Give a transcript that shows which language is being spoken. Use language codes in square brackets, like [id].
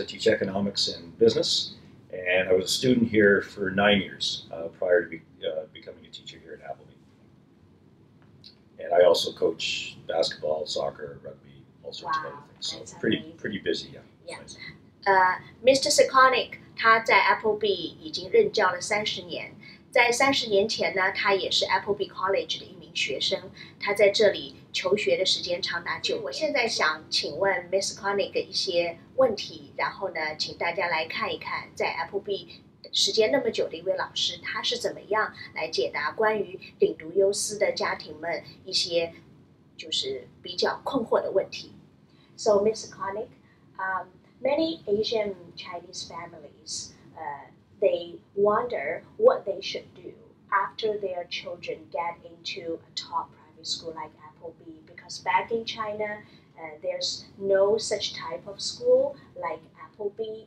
[en] I teach economics and business, and I was a student here for 9 years prior to becoming a teacher here at Appleby. And I also coach basketball, soccer, rugby, all sorts of other things. So pretty busy, yeah. Mr. [zh] Sikonik, 他在 Appleby 已经任教了30年。在30年前呢，他也是 Appleby College 的一名学生。他在这里求学的时间长达9年。我现在想请问 Mr. Sikonik 一些问题，然后呢，请大家来看一看，在 Appleby 时间那么久的一位老师，他是怎么样来解答关于顶独优私的家庭们一些就是比较困惑的问题。 [en] So, Mr. Sikonik, many Asian Chinese families, they wonder what they should do after their children get into a top private school like Appleby, because back in China, there's no such type of school like Appleby.